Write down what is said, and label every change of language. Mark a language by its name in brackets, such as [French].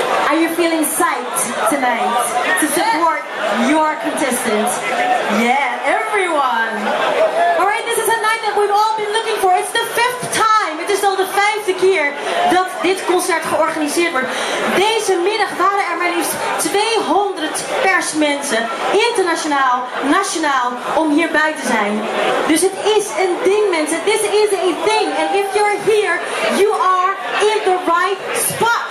[English] Are you feeling psyched tonight to support your contestants? Yeah, everyone. All right, this is a night that we've all been looking for. It's the fifth time. [Dutch] Het is al de vijfde keer dat dit concert georganiseerd wordt. Deze middag waren er maar liefst 200 persmensen, internationaal, nationaal, om hierbij te zijn. Dus het is een ding, mensen. [English] This is a thing. And if you're here, you are in the right spot.